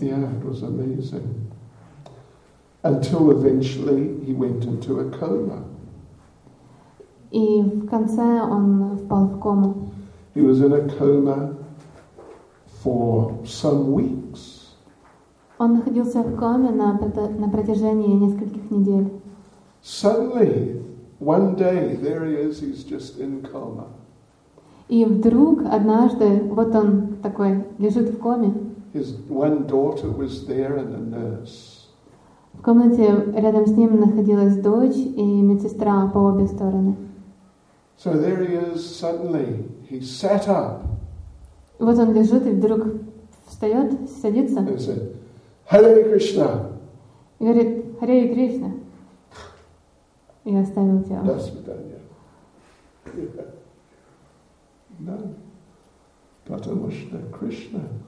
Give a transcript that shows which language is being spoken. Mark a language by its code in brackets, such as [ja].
[en] Yeah, it was amazing. Until eventually he went into a coma. [ru] И в конце он впал в кому. [en] He was in a coma for some weeks. [ru] Он находился в коме на протяжении нескольких недель. [en] Suddenly, one day, there he is, he's just in coma. [ru] И вдруг, однажды, вот он такой, лежит в коме. [en] His one daughter was there and a nurse. [ru] В комнате рядом с ним находилась дочь и медсестра по обе стороны. [en] So there he is, suddenly, he sat up. [ru] Вот он лежит и вдруг встает, садится. [en] And said, Hare Krishna. [ru] И говорит, Hare Krishna. И оставил тело. До свидания. Да. Потому что Кришна.